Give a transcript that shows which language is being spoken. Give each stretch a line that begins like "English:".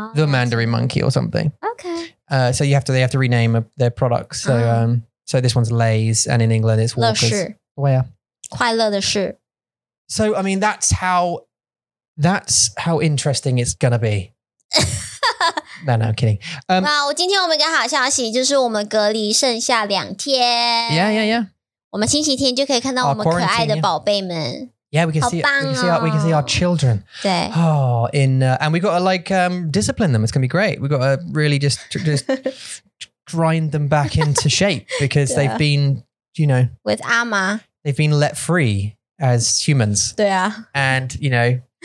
English: The Mandarin Monkey or something. Okay. So they have to rename their products. So so this one's Lay's, and in England it's Walkers. Where?
Chinese: 快乐的事.
English: So, I mean, that's how interesting it's going to be. No, I'm kidding.
Chinese: Well,今天我们一个好消息就是我们隔离剩下两天。
English: Yeah.
Chinese: 我们星期天就可以看到我们可爱的宝贝们。
English: Yeah, we can see our children.
Chinese: 对。
English: Oh, and we got to like discipline them. It's going to be great. We've got to really just grind them back into shape because they've been, you know. With Ama. They've been let free. As humans.
Chinese: 对啊.
English: And, you know.